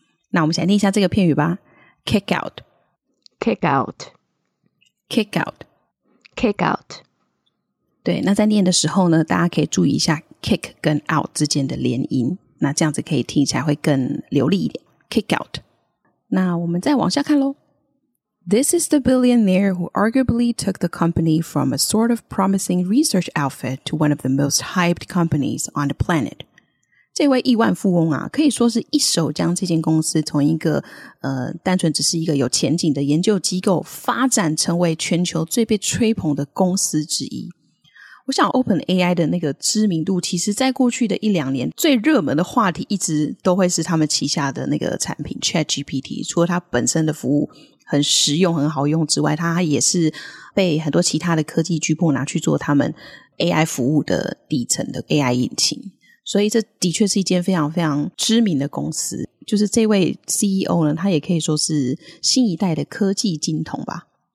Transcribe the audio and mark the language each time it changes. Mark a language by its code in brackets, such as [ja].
[zh] 那我们先念一下这个片语吧, kick out. [en] Kick out. Kick out. Kick out. [zh] 对,那在念的时候呢, 大家可以注意一下 kick跟 out之间的连音。那这样子可以听起来会更流利一点, kick out. 那我们再往下看咯。 [en] This is the billionaire who arguably took the company from a sort of promising research outfit to one of the most hyped companies on the planet. [zh] 这位亿万富翁啊, 可以说是一手将这间公司从一个, 单纯只是一个有前景的研究机构, 发展成为全球最被吹捧的公司之一。我想OpenAI的那个知名度 其实在过去的一两年最热门的话题一直都会是他们旗下的那个产品 ChatGPT 除了它本身的服务很实用很好用之外 它也是被很多其他的科技巨擘拿去做他们AI服务的底层的AI引擎 所以这的确是一间非常非常知名的公司 就是这位CEO呢 他也可以说是新一代的科技金童吧